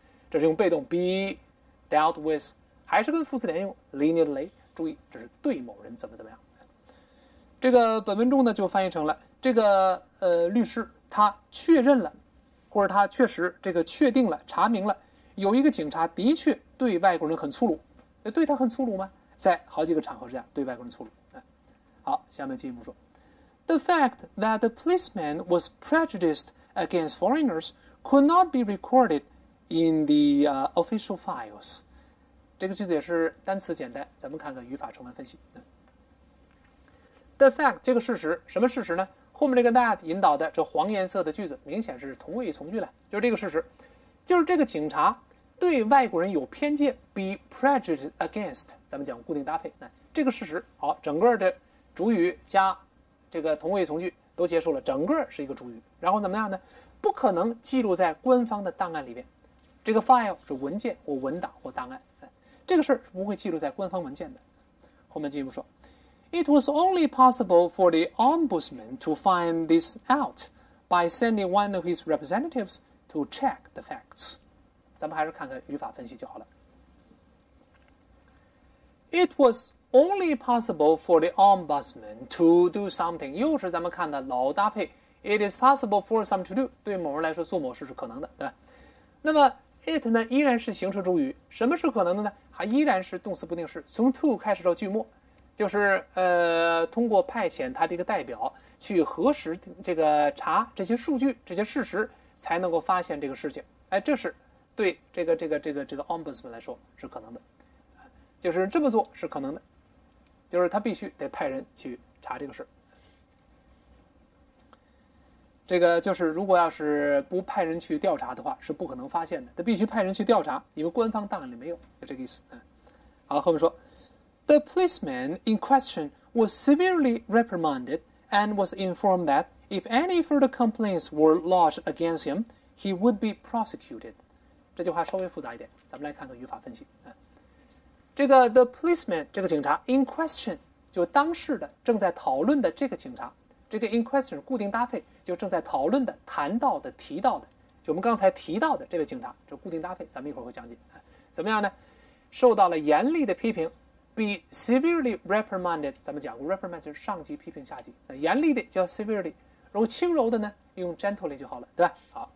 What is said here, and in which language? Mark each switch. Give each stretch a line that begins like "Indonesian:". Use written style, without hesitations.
Chinese: 这是用被动
English: be dealt with，
Chinese: 还是跟副词连用 leniently， 注意这是对某人怎么怎么样。这个本文中呢就翻译成了这个律师他确认了，或者他确实这个确定了，查明了有一个警察的确对外国人很粗鲁，对他很粗鲁吗？在好几个场合之下对外国人粗鲁。好，下面进一步说
English: The fact that the policeman was prejudiced against foreigners could not be recorded in the official files。
Chinese: 这个句子也是单词简单，咱们看看语法成分分析。
English: The fact
Chinese: 这个事实，什么事实呢？后面这个 that 引导的这黄颜色的句子明显是同位从句了，就是这个事实，就是这个警察对外国人有偏见
English: be prejudiced against，
Chinese: 咱们讲固定搭配，那这个事实。好，整个的主语加这个同位从句都结束了，整个是一个主语，然后怎么样呢？不可能记录在官方的档案里面，这个 file 是文件或文档或档案，这个事儿不会记录在官方文件的。后面进一步说，
English: It was only possible for the ombudsman to find this out by sending one of his representatives to check the facts。
Chinese: 咱们还是看看语法分析就好了。
English: It was only possible for the ombudsman to do something，
Chinese: 又是咱们看的老搭配，
English: It is possible for something to do，
Chinese: 对某人来说做某事是可能的，对吧？那么 it 呢依然是形式主语，什么是可能的呢？还依然是动词不定式，从 to 开始到句末，就是通过派遣他的一个代表去核实这个查这些数据这些事实，才能够发现这个事情。哎，这是对这个 ombudsman 来说是可能的，就是这么做是可能的，就是他必须得派人去查这个事。这个就是如果要是不派人去调查的话是不可能发现的，他必须派人去调查，因为官方档案里没有，就这个意思。好，后面说
English: The policeman in question was severely reprimanded and was informed that if any further complaints were lodged against him he would be prosecuted。
Chinese: 这句话稍微复杂一点，咱们来看看语法分析。这个
English: the policeman
Chinese: 这个警察 in question 就当事的正在讨论的这个警察，这个 in question 固定搭配就正在讨论的谈到的提到的，就我们刚才提到的这位警察，这固定搭配咱们一会儿会讲解怎么样呢，受到了严厉的批评
English: be severely reprimanded，
Chinese: 咱们讲过 reprimand 就是上级批评下级，严厉的叫 severely， 如果轻柔的呢用 gently 就好了，对吧？